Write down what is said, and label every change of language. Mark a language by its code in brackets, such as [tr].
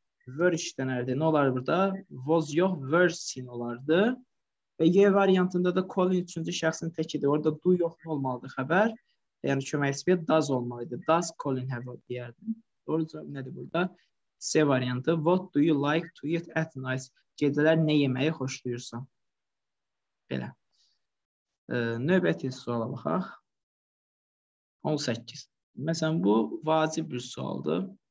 [az] Were işlənərdi. Nə olar burada? Was yox, were seen olardı. Və Y variantında da Colin üçüncü şəxsin təkidir. Orada do yox nə olmalıdır xəbər? Yəni köməkçi bir does olmalıdır. [en] Does Colin have a [az] deyərdim. Doğru cavab nədir burada? C variantı. [en] What do you like to eat at night? [az] Gecələr nə yeməyi xoşlayırsan? Belə. Növbəti suala baxaq. 18. Məsələn, bu vacib bir sualdır.